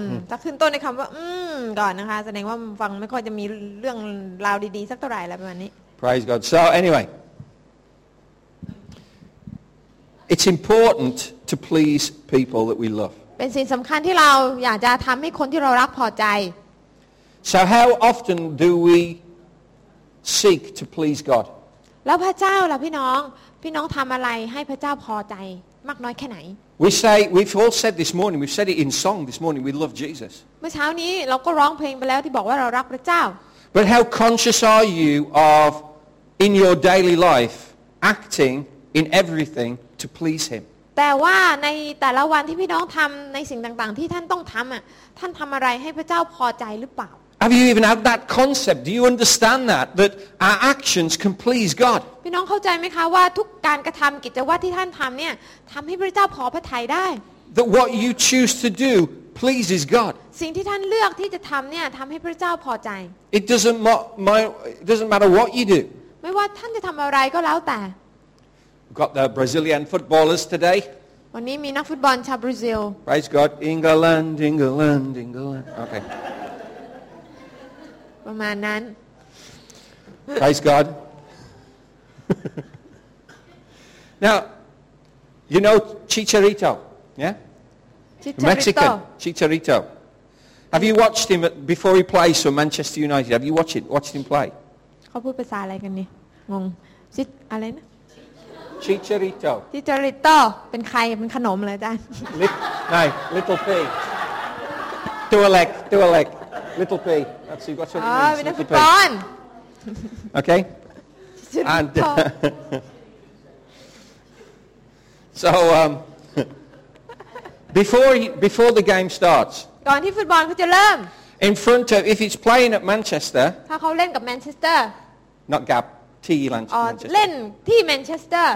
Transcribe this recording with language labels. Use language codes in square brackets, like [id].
[th] ถ้าขึ้นต้นในคำว่าก่อนนะคะแสดงว่าฟังไม่ค่อยจะมีเรื่องราวดีๆสักเท่าไหร่แล้วประมาณนี้ [en] Praise God. So anyway... It's important to please people that we love. [th] เป็นสิ่งสำคัญที่เราอยากจะทำให้คนที่เรารักพอใจ [en] So how often do we seek to please God? [th] แล้วพระเจ้าล่ะพี่น้องทำอะไรให้พระเจ้าพอใจมากน้อยแค่ไหน [en] We've all said this morning. We've said it in song this morning. We love Jesus. [th] เมื่อเช้านี้เราก็ร้องเพลงไปแล้วที่บอกว่าเรารักพระเจ้า [en] But how conscious are you of in your daily life acting in everything? To please him. [th] แต่ว่าในแต่ละวันที่พี่น้องทำในสิ่งต่างๆที่ท่านต้องทำอ่ะท่านทำอะไรให้พระเจ้าพอใจหรือเปล่า [en] Have you even had that concept? Do you understand that our actions can please God? [th] พี่น้องเข้าใจไหมคะว่าทุกการกระทำกิจวัตรที่ท่านทำเนี่ยทำให้พระเจ้าพอพระทัยได้ [en] That what you choose to do pleases God. [th] สิ่งที่ท่านเลือกที่จะทำเนี่ยทำให้พระเจ้าพอใจ [en] It doesn't matter. It doesn't matter what you do. [th] ไม่ว่าท่านจะทำอะไรก็แล้วแต่ [en] We've got the Brazilian footballers today. [th] วันนี้มีนักฟุตบอลชาวบราซิล [en] Praise God, England, England, England. Okay. [th] ประมาณนั้น [en] Praise God. Now, you know Chicharito, yeah? Chicharito. Mexican Chicharito. Have you watched him before he plays for Manchester United? Have you watched him play? [th] เขาพูดภาษาอะไรกันนี่งงซิอะไรนะ [en] Chicharito. [th] Chicharito เป็นใครเป็นขนมเหรออาจารย์ [en] Little pig. Two leg. Little pig. That's you got something. Oh, little pig. Okay. And so before the game starts. [th] ก่อนที่ฟุตบอลเขาจะเริ่ม [en] In front of if it's playing at Manchester. [th] ถ้าเขาเล่นกับ Manchester. [en] Not Gap. Tea lunch. [th] เล่นที่ Manchester.